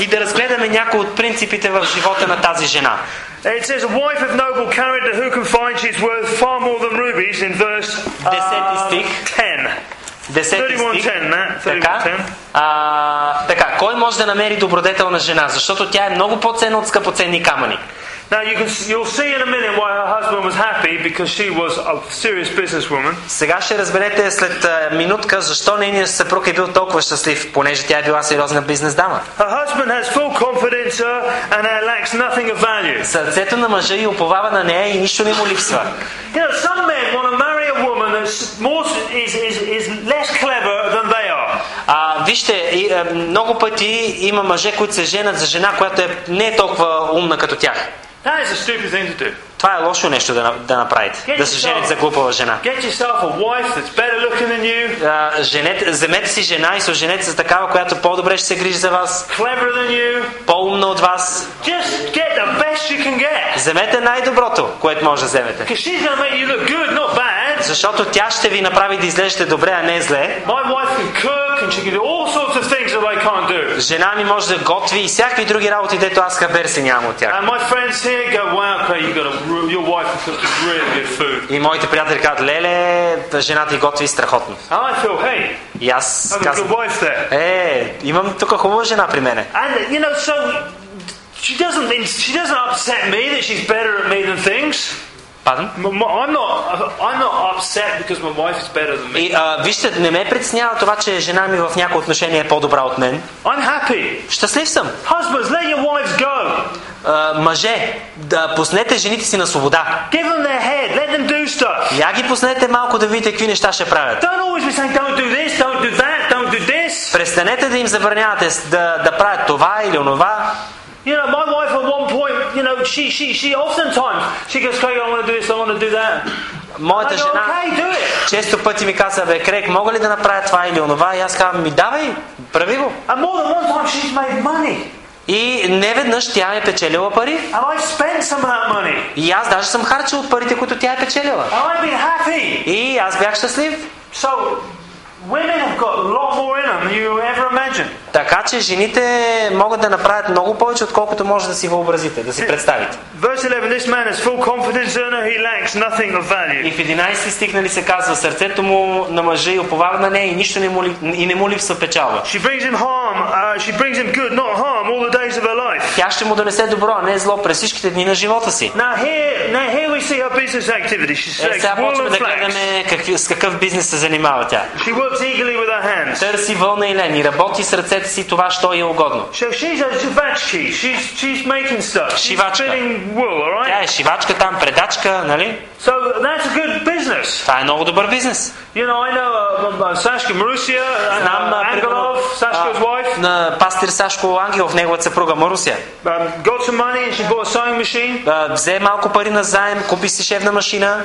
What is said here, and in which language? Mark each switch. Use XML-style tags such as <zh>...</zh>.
<bg>И да разгледаме някои от принципите в живота на тази жена.</bg> <en>It says, a wife of noble character who can find she's worth far more than rubies in verse 10.</en> <bg>31:10. Кой може да намери добродетелна жена, защото тя е много по-ценна от скъпоценни камъни?</bg> <en>Now you'll see in a minute why her husband was happy, because she was a serious businesswoman.</en> <bg>Сега ще разберете след минутка защо нейният съпруг е бил толкова щастлив, понеже тя е била сериозна бизнес дама.</bg> <en>Her husband has full confidence in her and it lacks nothing of value.</en> <bg>Сърцето на мъжа й уповава на нея и нищо не му липсва.</bg> <en>You know, some men want to marry a woman that's more is less clever than they are.</en> <bg>Вижте, много пъти има мъже, които се женят за жена, която е не е толкова умна като тях.</bg> <en>That is a stupid thing to do.</en> <bg>Това е лошо нещо да направите.</bg> <en>Get</en> <bg>да се жените за глупава жена.</bg> <en>Get yourself a wife that's better looking than you.</en> <bg>Вземете си жена и съженете се за такава, която по-добре ще се грижи за вас.</bg> <en>Cleverer than you.</en> <bg>По-умна от вас.</bg> <en>Just get the best you can get.</en> <bg>Вземете най-доброто, което може да вземете.</bg> <en>Because she's gonna make you look good, not bad.</en> <bg>Защото тя ще ви направи да изглеждате добре, а не зле.</bg> <en>My wife can cook and she can do all sorts of things that I can't do.</en> <bg>Жена ми може да готви и всякакви други работи, дето аз хабер си нямам от тях.</bg> <en>And my friends here go, wow, okay, you got your wife cooks really good food.</en> <bg>И моите приятели казват, леле, жената ти готви страхотно.</bg> <en>And I feel, hey,</en> <bg>и аз казвам,</bg> <en>I've got a good wife there.</en> <bg>Имам тук хубава жена при мене.</bg> <en>And you know, so she doesn't upset me that she's better at me than things. I'm not upset because my wife is better than me.</en> <bg>Вижте, не ме притеснява това, че жена ми в някои отношения е по-добра от мен.</bg> <en>I'm happy.</en> <bg>Щастлив съм.</bg> <en>Husbands, let your wives go.</en> <bg>Мъже, да пуснете жените си на свобода.</bg> <en>Give them their head, let them do stuff.</en> <bg>Я ги пуснете малко да видите какви неща ще правят.</bg> <en>Don't always be saying don't do this, don't do that, don't do this.</en> <bg>Престанете да им забранявате да правят това или онова.</bg> <en>You know, my wife at one point, you know, she oftentimes she goes, Craig, I want to do this, I want to do that.</en> <bg>Моята жена често пъти ми каза, бе, Крек, мога ли да направя това или онова? И аз казвам, ми давай, прави го.</bg> <en>And more than one time she's made money.</en> <bg>И неведнъж тя е печелила пари.</bg> <en>And I spent some of that money.</en> <bg>И аз даже съм харчил от парите, които тя е печелила.</bg> <en>And I've been happy.</en> <bg>И аз бях щастлив.</bg> <en>So, women have got a lot more in them than you ever imagined.</en> <bg>Така че жените могат да направят много повече, отколкото може да си въобразите, да си представите.</bg> <en>Verse 11, this man has full confidence in her, he lacks nothing of value.</en> <bg>И в 11 стих нали се казва, сърцето му на мъжа и уповава на нея и нищо не му липсва печалба.</bg> <en>She brings him harm, she brings him good, not harm, all the days of her life.</en> <bg>Тя ще му донесе добро, а не зло през всичките дни на живота си.</bg> <en>Now here we see her business activity. She's</en> <bg>Сега почваме да гледаме с какъв бизнес се занимава тя.</bg> <en>She works eagerly with her hands.</en> <bg>Търси вълна и лен и работи сърце си това, що е угодно.</bg> <en>So she's a shivachi. She's making stuff. She's spinning wool, all right?</en> <bg>Тя е шивачка там, предачка, нали?</bg> <en>So that's a good business.</en> <bg>Това е много добър бизнес.</bg> <en>You know, I know Sashka Marusia, Angelov, Sashka's wife.</en> <bg>На пастир Сашко Ангелов, неговата съпруга Марусия.</bg> <en>Got some money and she bought a sewing machine.</en> <bg>Взе малко пари на заем, купи си шевна машина.</bg>